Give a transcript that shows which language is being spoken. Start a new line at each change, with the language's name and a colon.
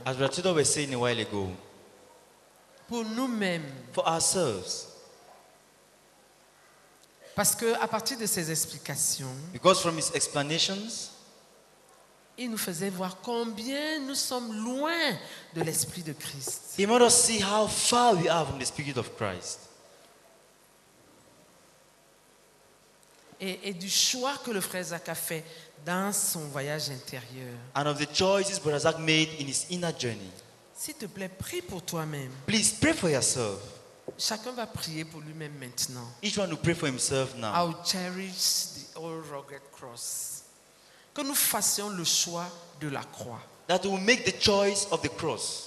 English: as Brother Theodore was saying a while ago,
French: pour nous-mêmes,
English: for ourselves,
French: parce que à partir de ses explications,
English: because from his explanations,
French: il nous faisait voir combien nous sommes loin de l'esprit de Christ.
English: He made us see how far we are from the spirit of Christ.
French: Et du choix que le frère Zach a fait dans son voyage intérieur.
English: And of the choices Brother Zach made in his inner journey.
French: S'il te plaît, prie pour toi-même.
English: Please pray for yourself.
French: Chacun va prier pour lui-même maintenant.
English: Each one will pray for himself now. I'll cherish the old rugged cross.
French: Que nous fassions le choix de la croix.
English: That we make the choice of the cross.